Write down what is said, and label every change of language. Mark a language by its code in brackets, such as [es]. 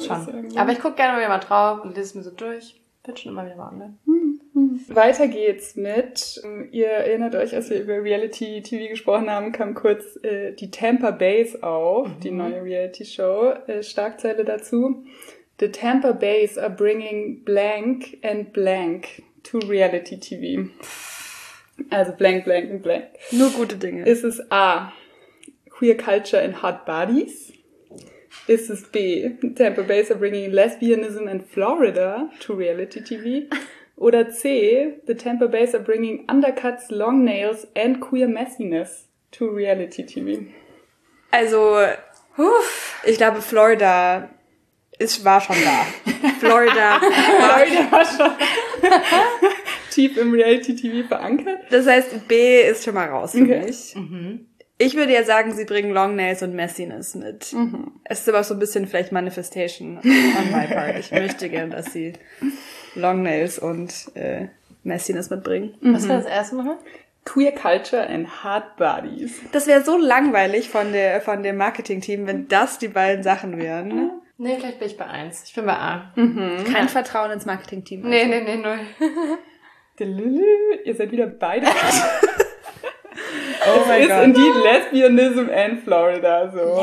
[de] Schon. Aber ich gucke gerne mal wieder drauf und lese es mir so durch. Bin schon immer wieder mal online. Weiter geht's mit, ihr erinnert euch, als wir über Reality-TV gesprochen haben, kam kurz die Tampa Bays auf, die neue Reality-Show, Schlagzeile dazu. [en] The Tampa Bays are bringing blank and blank to Reality-TV. [de] Also blank, blank und blank. Nur gute Dinge. Ist es A, [en] queer culture and hot bodies? [de] Ist es B, [en] Tampa Bays are bringing lesbianism and Florida to Reality-TV? [de] Oder C, [en] the Tampa Bays are bringing undercuts, long nails and queer messiness to reality TV. [de] Also, ich glaube, Florida war schon da. Florida war schon tief im reality TV verankert. Das heißt, B ist schon mal raus für mich. Ich würde ja sagen, sie bringen [en] long nails [de] und messiness mit. Es ist aber so ein bisschen vielleicht Manifestation [en] on my part. [de] Ich möchte gerne, dass sie Long Nails und Messiness mitbringen. Was wäre das erste Mal? [en] Queer Culture and Hard Bodies. [de] Das wäre so langweilig von dem Marketing-Team, wenn das die beiden Sachen wären. Nee, vielleicht bin ich bei 1. Ich bin bei A. Kein Vertrauen ins Marketing-Team. Also. Nee, null. Ihr seid wieder beide. Oh mein Gott. Es ist [en] indeed Lesbianism and Florida. [de] So.